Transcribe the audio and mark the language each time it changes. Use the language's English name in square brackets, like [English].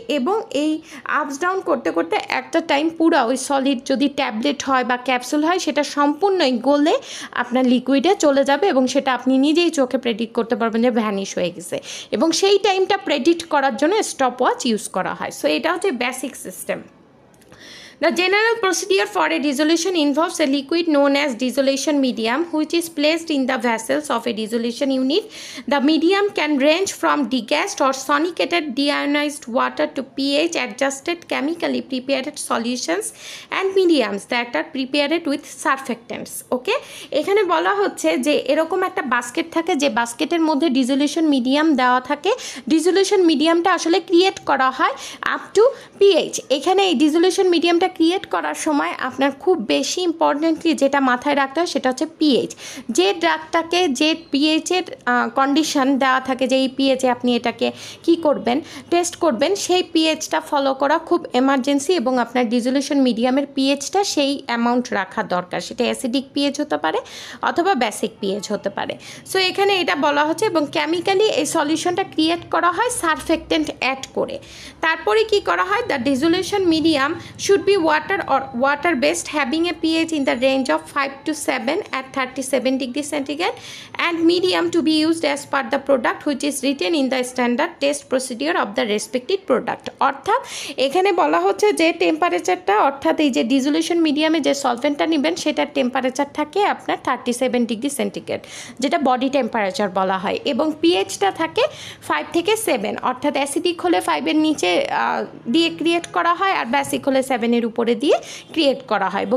[Bangla] এবং এই আপস ডাউন করতে করতে একটা টাইম পুরো ওই সলিড, যদি ট্যাবলেট হয় বা ক্যাপসুল হয়, সেটা সম্পূর্ণই গলে আপনার লিকুইডে চলে যাবে এবং সেটা আপনি নিজেই চোখে প্রেডিক্ট করতে পারবেন যে ভ্যানিশ হয়ে গেছে। এবং সেই টাইমটা প্রেডিক্ট করার জন্য স্টপ ওয়াচ ইউজ করা হয়। সো এটা হচ্ছে basic system. [English] The general procedure for a dissolution involves a liquid known as dissolution medium, which is placed in the vessels of a dissolution unit. The medium can range from degassed or sonicated deionized water to pH adjusted chemically prepared solutions and mediums that are prepared with surfactants. Okay? [Bangla] এখানে বলা হচ্ছে যে এরকম একটা basket থাকে, যে বাস্কেটের মধ্যে ডিজোলিউশন medium দেওয়া থাকে। ডিজোলিউশন মিডিয়ামটা আসলে ক্রিয়েট করা হয় আপ টু পিএইচ। এখানে এই ডিজোলিউশন মিডিয়াম ক্রিয়েট করার সময় আপনার খুব বেশি ইম্পর্টেন্টলি যেটা মাথায় রাখতে হয় সেটা হচ্ছে পিএইচ। যে ড্রাগটাকে যে পিএইচের কন্ডিশন দেওয়া থাকে, যে এই পিএইচে আপনি এটাকে কি করবেন, টেস্ট করবেন, সেই পিএইচটা ফলো করা খুব এমার্জেন্সি। এবং আপনার ডিজোলিউশন মিডিয়ামের পিএইচটা সেই অ্যামাউন্ট রাখা দরকার, সেটা অ্যাসিডিক পিএইচ হতে পারে অথবা বেসিক পিএইচ হতে পারে। সো এখানে এটা বলা হচ্ছে। এবং কেমিক্যালি এই সলিউশনটা ক্রিয়েট করা হয় সারফেক্ট্যান্ট অ্যাড করে। তারপরে কি করা হয়, [English] The dissolution medium should be water or water based, having a pH in the range of 5 to 7 at 37 degree centigrade, and medium to be used as per the product which is written in the standard test procedure of the respective product. [Bangla] অর্থাৎ এখানে বলা হচ্ছে যে টেম্পারেচারটা, অর্থাৎ এই যে ডিজোলিউশন মিডিয়ামে যে সলভেন্টটা নেবেন সেটার টেম্পারেচার থাকে আপনার 37 ডিগ্রি সেন্টিগ্রেড, যেটা বডি টেম্পারেচার বলা হয়। এবং পিএইচটা থাকে 5 থেকে 7, অর্থাৎ অ্যাসিডিক হলে 5-এর নিচে দিয়ে ক্রিয়েট করা হয় আর বেসিক হলে 7-এর উপরে দিয়ে ক্রিয়েট করা হয়।